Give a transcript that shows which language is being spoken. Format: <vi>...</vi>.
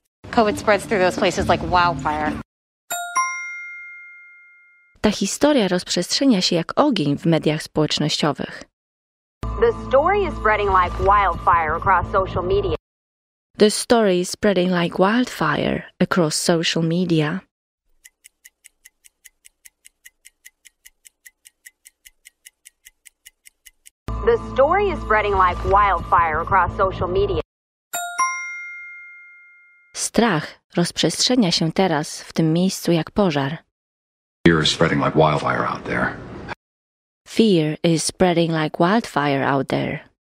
<en>COVID spreads through those places like wildfire.</en> <pl>Ta historia rozprzestrzenia się jak ogień w mediach społecznościowych.</pl> <en>The story is spreading like wildfire across social media. The story is spreading like wildfire across social media. The story is spreading like wildfire across social media.</en> <pl>Strach rozprzestrzenia się teraz w tym miejscu jak pożar.</pl> <en>Fear is spreading like wildfire out there. Fear is spreading like wildfire out there.</en>